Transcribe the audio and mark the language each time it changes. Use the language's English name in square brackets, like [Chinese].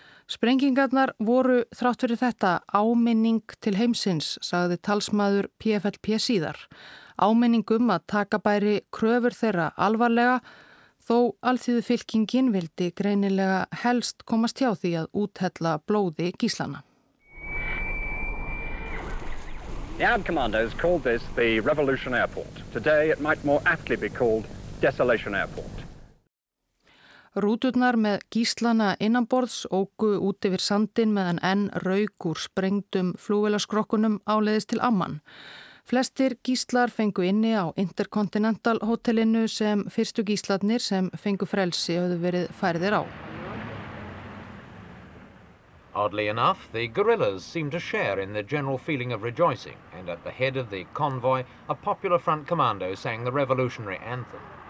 [Icelandic] Sprengingarnar voru þrátt fyrir þetta áminning til heimsins, sagði talsmaður PFLP síðar. Áminning um að taka bæri kröfur þeirra alvarlega, þó alþýðu fylkingin vildi greinilega helst komast hjá því að úthella blóði gíslana. [English] The AD commandos called this the Revolution Airport. Today it might more aptly be called Desolation Airport. [Icelandic] Rúturnar með gíslana innanborðs óku út yfir sandin meðan enn rauk úr sprengdum flugvélaskrokkunum áleiðis til Amman. Flestir gíslar fengu inni á Intercontinental hótelinu sem fyrstu gíslarnir sem fengu frelsi höfðu verið færðir á. [English] Oddly enough, the guerrillas seemed to share in the general feeling of rejoicing and at the head of the convoy, a popular front commando sang the revolutionary anthem.